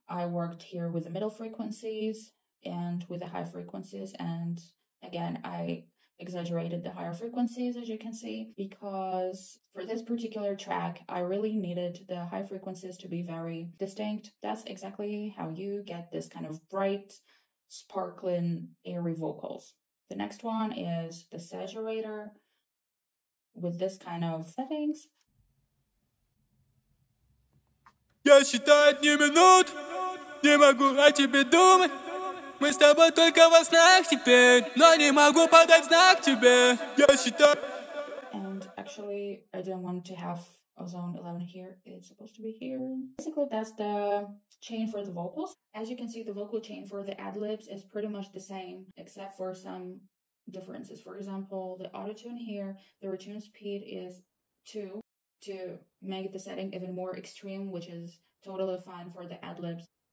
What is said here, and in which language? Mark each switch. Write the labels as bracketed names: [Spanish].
[English] I worked here with the middle frequencies and with the high frequencies, and again, I exaggerated the higher frequencies, as you can see, because for this particular track, I really needed the high frequencies to be very distinct. That's exactly how you get this kind of bright, sparkling, airy vocals. The next one is the saturator with this kind of settings. [Russian] Я считаю дни минут, не могу о тебе думать. Мы с тобой только во снах теперь, но не могу подать знак тебе. Я считаю. [English] And actually, I didn't want to have ozone 11 here. It's supposed to be here. Basically, that's the chain for the vocals. As you can see, the vocal chain for the adlibs is pretty much the same, except for some differences. For example, the autotune here, the retune speed is 2 to make the setting even more extreme, which is totally fine for the adlibs.